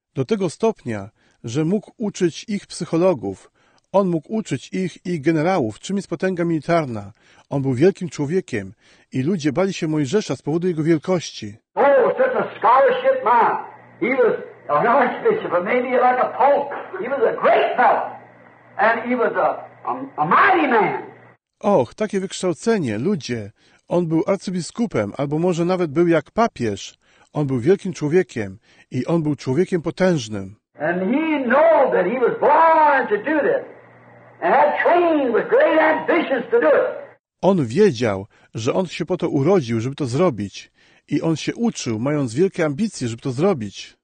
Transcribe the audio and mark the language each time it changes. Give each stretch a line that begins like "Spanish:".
Polish: Do tego stopnia, że mógł uczyć ich psychologów. On mógł uczyć ich i generałów, czym jest potęga militarna. On był wielkim człowiekiem i ludzie bali się Mojżesza z powodu jego wielkości.
English: Oh, such a scholarship man. He was an archbishop, or maybe like a pope. He was a great fellow. And he was a mighty man.
Polish: Och, takie wykształcenie, ludzie. On był arcybiskupem, albo może nawet był jak papież. On był wielkim człowiekiem i on był człowiekiem potężnym.
English: And he knew that he was born to do this. And had trained with great ambitions to do it.
Polish: On wiedział, że on się po to urodził, żeby to zrobić. I on się uczył, mając wielkie ambicje, żeby to zrobić.